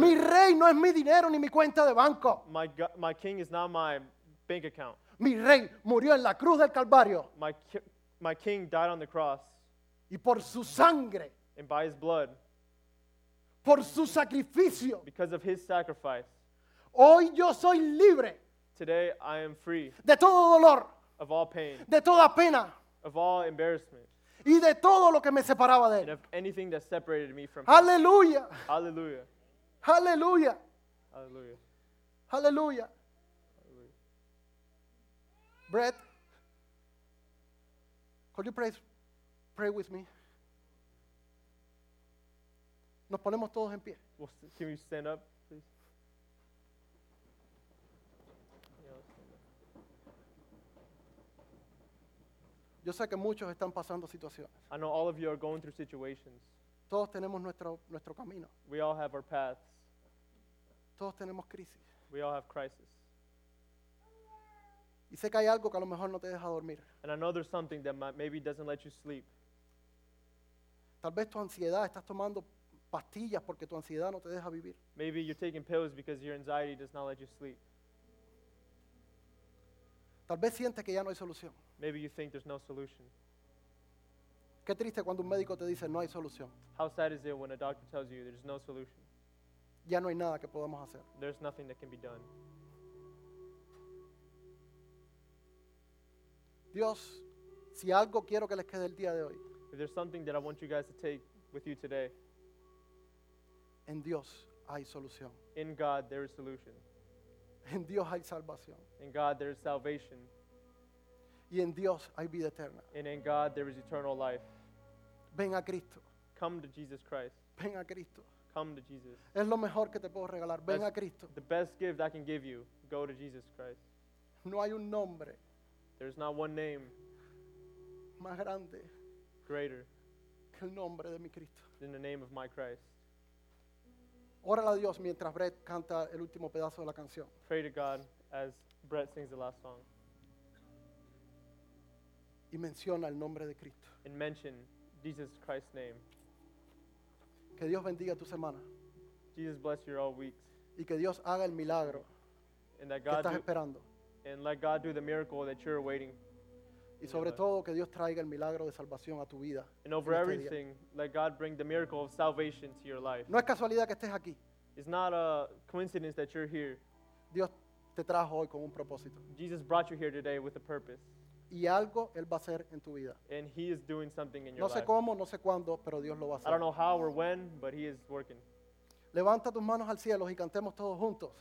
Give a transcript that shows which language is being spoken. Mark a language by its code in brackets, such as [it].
[es] Mi rey no es mi dinero ni mi cuenta de banco. [en] My king is not my bank account. [es] Mi rey murió en la cruz del Calvario. [en] My king died on the cross. [es] Y por su sangre. [en] And by his blood. [es] Por su sacrificio. [en] Because of his sacrifice. [es] Hoy yo soy libre. [en] Today I am free. [es] De todo dolor. [en] Of all pain. [es] De toda pena. [en] Of all embarrassment. [es] Y de todo lo que me separaba de él. [en] And of anything that separated me from Hallelujah. Him. Hallelujah. Hallelujah. Hallelujah. Hallelujah. Brett, could you pray with me? [es] Nos ponemos todos en pie. [en] Can you stand up, please? [es] Yo sé que muchos están pasando situaciones. [en] I know all of you are going through situations. [es] Todos tenemos nuestro camino. [en] We all have our paths. [es] Todos tenemos crisis. [en] We all have crisis. [es] Y sé que hay algo que a lo mejor no te deja dormir. [en] And I know there's something that maybe doesn't let you sleep. [es] Tal vez tu ansiedad, estás tomando pastillas porque tu ansiedad no te deja vivir. [en] Maybe you're taking pills because your anxiety does not let you sleep. [es] Tal vez sientes que ya no hay solución. [en] Maybe you think there's no solution. [es] Qué triste cuando un médico te dice no hay solución. [en] How sad is it when a doctor tells you there's no solution? [es] Ya no hay nada que podamos hacer. [en] There's nothing that can be done. [es] Dios, si algo quiero que les quede el día de hoy. [en] If there's something that I want you guys to take with you today. [es] En Dios hay solución. [en] In God there is solution. [es] En Dios hay salvación. [en] In God there is salvation. [es] Y en Dios hay vida eterna. [en] And in God there is eternal life. [es] Ven a Cristo. [en] Come to Jesus Christ. [es] Ven a Cristo. [en] Come to Jesus. [es] Es lo mejor que te puedo regalar. Ven a Cristo. [en] The best gift I can give you, go to Jesus Christ. [es] No hay un nombre. [en] There's not one name. [es] Más grande. [en] Greater. [es] Que el nombre de mi Cristo. [en] Than the name of my Christ. [es] Órale a Dios mientras Brett canta el último pedazo de la canción. [en] Pray to God as Brett sings the last song. [es] Y menciona el nombre de Cristo. [en] And mention Jesus Christ's name. [es] Que Dios bendiga tu semana. [en] Jesus bless your all weeks. [es] Y que Dios haga el milagro que estás esperando. [en] And let God do the miracle that you're waiting. [es] Y sobre todo que Dios traiga el milagro de salvación a tu vida. [en] And over everything, let God bring the miracle of salvation to your life. [es] No es casualidad que estés aquí. [en] It's not a coincidence that you're here. [es] Dios te trajo hoy con un propósito. [en] Jesus brought you here today with a purpose. [es] Y algo Él va a hacer en tu vida. [en] And He is doing something in your life. [es] No sé cómo, no sé cuándo, pero Dios lo va a hacer. [en] I don't know how or when, but He is working. [es] Levanta tus manos al cielo y cantemos todos juntos.